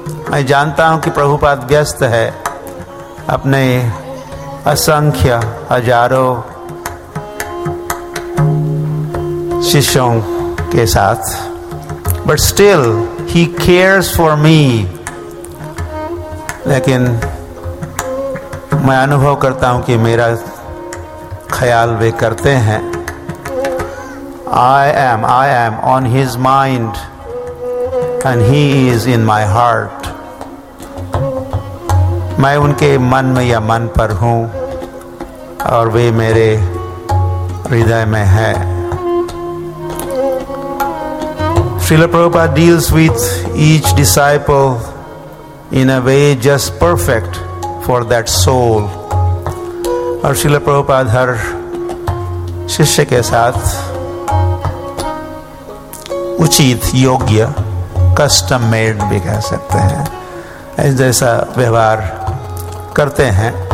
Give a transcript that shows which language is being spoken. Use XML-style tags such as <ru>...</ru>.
<hi>मैं जानता हूं कि प्रभुपाद व्यस्त है अपने असंख्य हजारों शिष्यों के साथ,</hi> <en>But still he cares for me.</en> <hi>लेकिन मैं अनुभव करता हूं कि मेरा ख्याल वे करते हैं।</hi> <en>I am on his mind and he is in my heart.</en> <hi>मैं उनके मन में या मन पर हूँ और वे मेरे हृदय में है.</hi> <en>Srila Prabhupada deals with each disciple in a way just perfect for that soul.</en> <hi>और Srila Prabhupada हर शिष्य के साथ उचित योग्य कस्टम मेड भी कह सकते हैं इस जैसा व्यवहार करते हैं.</hi>